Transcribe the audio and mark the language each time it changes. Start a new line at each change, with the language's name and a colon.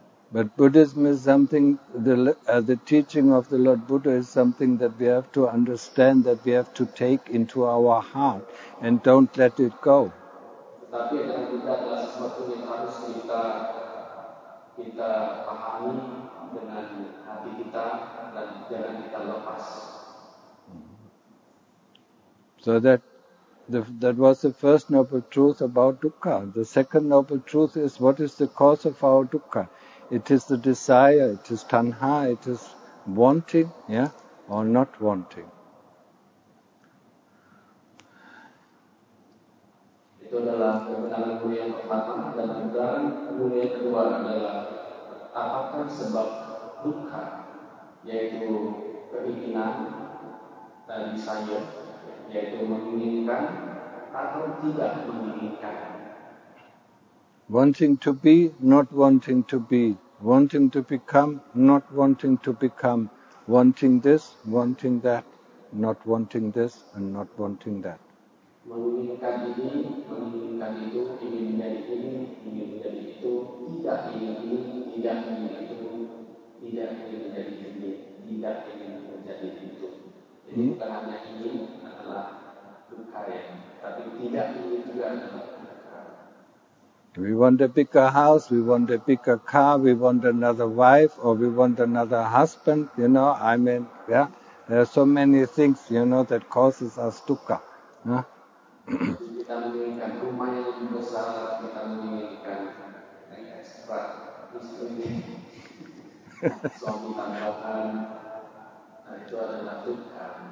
English: But Buddhism is something, the teaching of the Lord Buddha is something that we have to understand, that we have to take into our heart and don't let it go.
Indonesian: Tetapi adalah sesuatu yang harus kita kita pahami dengan hati kita dan jangan kita lepas.
English: So that was the first noble truth about dukkha. The second noble truth is, what is the cause of our dukkha? It is the desire, it is tanha, it is wanting, yeah, or not wanting.
Indonesian: Itu adalah kebenaran guru yang pertama, dan kebenaran guru yang kedua adalah apakah sebab dukkha, yaitu keinginan dan desire, yaitu menginginkan atau tidak menginginkan.
English: Wanting to be, not wanting to be. Wanting to become, not wanting to become. Wanting this, wanting that. Not wanting this, and not wanting that.
Indonesian: Menginginkan ini, menginginkan itu, ingin menjadi ini, ingin menjadi itu, tidak ingin ini, tidak ingin itu, tidak ingin menjadi ini, tidak ingin menjadi itu. Jadi bukan hanya ingin adalah dukkha ya, tapi tidak ingin juga adalah.
English: We want a bigger house, we want a bigger car, we want another wife, or we want another husband, you know, I mean, yeah. There are so many things, you know, that causes us dukkha. Yeah?
Indonesian: Kita menginginkan rumah yang lebih besar, kita menginginkan ekstra istri, suami tambahan, itu adalah dukkha.